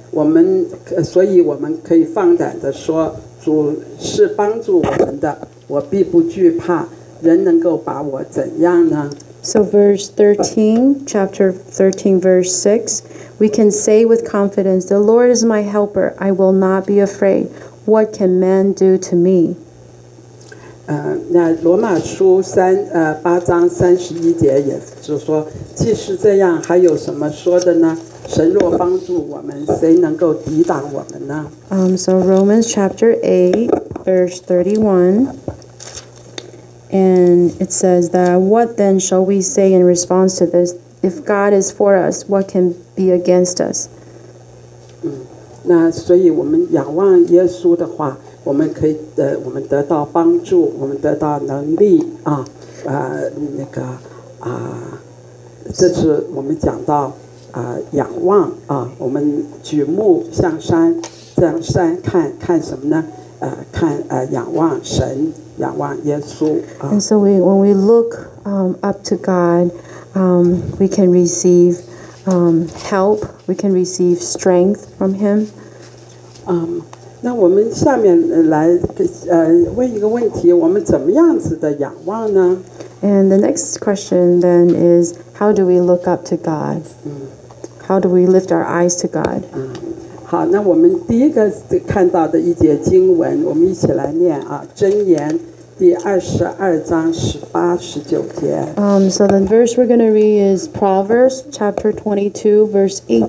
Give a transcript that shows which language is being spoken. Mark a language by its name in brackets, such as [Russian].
[Chinese] 我们所以我们可以放胆的说，主是帮助我们的，我必不惧怕，人能够把我怎样呢？ [English] So verse 13, chapter 13, verse 6, we can say with confidence, the Lord is my helper, I will not be afraid. What can man do to me? [Chinese] 那罗马书三八章三十一节也就说，既是这样，还有什么说的呢？神若帮助我们，谁能够抵挡我们呢？ [English] So Romans chapter 8, verse 31. And it says that, what then shall we say in response to this? If God is for us, what can be against us? [Chinese] 那所以我们仰望耶稣的话，我们可以我们得到帮助，我们得到能力啊，那个啊，这是我们讲到仰望啊，我们举目向山，向山看看什么呢？看仰望神。仰望耶稣, [English] And so when we look up to God, we can receive help, we can receive strength from Him. [Chinese] 那我们下面来问一个问题，我们怎么样子的仰望呢? [English] And the next question then is, how do we look up to God? How do we lift our eyes to God? [Chinese] 好，那我们第一个看到的一节经文，我们一起来念啊，箴言。 [English] So the verse we're going to read is Proverbs chapter 22, verse